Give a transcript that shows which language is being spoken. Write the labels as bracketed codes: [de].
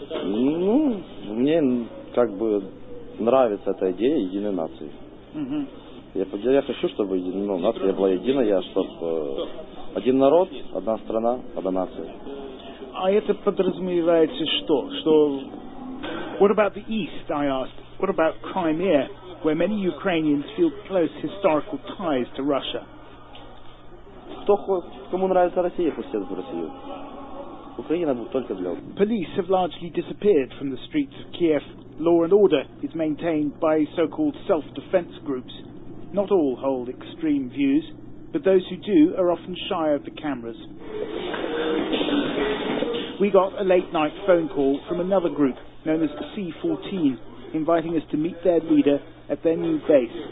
[ru] Ну, мне как бы нравится эта идея единой нации. Я хочу, чтобы нация была единая, чтобы один народ, одна страна, одна нация. А это подразумевается что? Что? [en] What about the East, I asked? What about Crimea, where many Ukrainians feel close historical ties to Russia? [ru] Кому нравится Россия, пусть едут в Россию. Украина будет только для... [en] Police have largely disappeared from the streets of Kiev. Law and order is maintained by so-called self-defense groups. Not all hold extreme views. but those who do are often shy of the cameras. We got a late-night phone call from another group known as C-14, inviting us to meet their leader at their new base.